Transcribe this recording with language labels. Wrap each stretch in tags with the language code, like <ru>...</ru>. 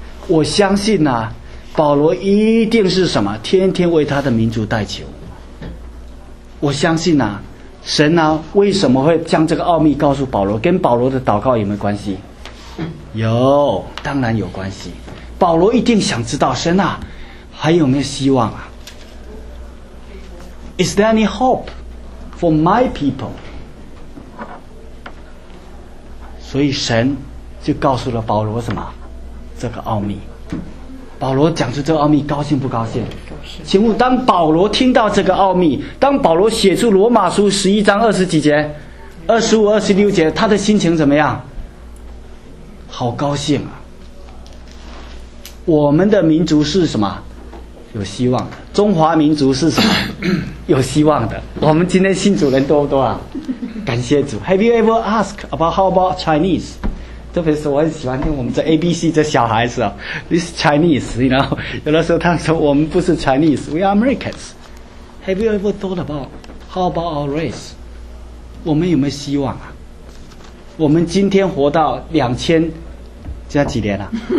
<zh>我相信啊，保罗一定是什么天天为他的民族代求。我相信啊，神呢、啊、为什么会将这个奥秘告诉保罗？跟保罗的祷告有没有关系？有，当然有关系。保罗一定想知道，神啊，还有没有希望啊？</zh> <en>Is there any hope for my people?</en> <zh>所以神就告诉了保罗什么？这个奥秘。保罗讲出这个奥秘，高兴不高兴？请问，当保罗听到这个奥秘，当保罗写出罗马书十一章二十几节、二十五、二十六节，他的心情怎么样？好高兴啊！我们的民族是什么？有希望的。中华民族是什么？有希望的。我们今天信主人多不多啊？感谢主。</zh> <en>Have you ever asked about how about Chinese?</en> <zh>特别是我很喜欢听我们这 ABC 这小孩子啊 ，</zh> <en>This Chinese，</en> <zh>你知道，有的时候他们说我们不是 Chinese，</zh> <en>We are Americans。 Have you ever thought about how about our race？</en> <zh>我们有没有希望啊？我们今天活到两千，这几年了、啊？</zh>